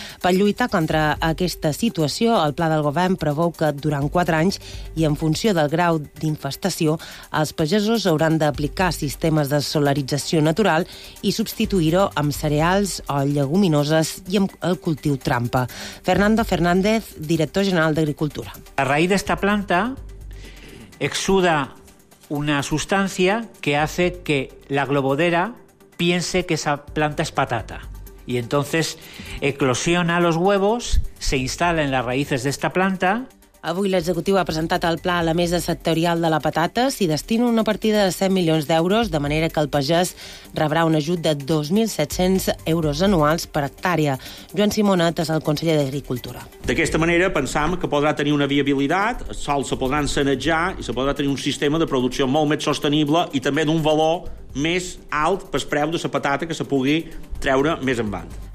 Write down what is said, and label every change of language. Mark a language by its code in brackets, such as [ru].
[ca] Per lluitar contra aquesta situació, el pla del govern preveu que durant 4 anys i en funció del grau d'infestació, els pagesos hauran d'aplicar sistemes de solarització natural i substituir-ho amb cereals o lleguminoses i amb el cultiu trampa. Fernando Fernández, director general d'Agricultura. [es] A raíz de esta planta exuda una sustancia que hace que la globodera piense que esa planta es patata. Y entonces eclosiona los huevos, se instala en las raíces de esta planta. [ca] Avui l'executiu ha presentat el pla a la mesa sectorial de la patata. S'hi destina una partida de 100 milions d'euros, de manera que el pagès rebrà un ajut de 2.700 euros anuals per hectàrea. Joan Simonet és el conseller d'Agricultura. D'aquesta manera, pensam que podrà tenir una viabilitat, els sòls se podran sanejar i se podrà tenir un sistema de producció molt més sostenible i també d'un valor més alt pel preu de la patata que se pugui treure més en banda.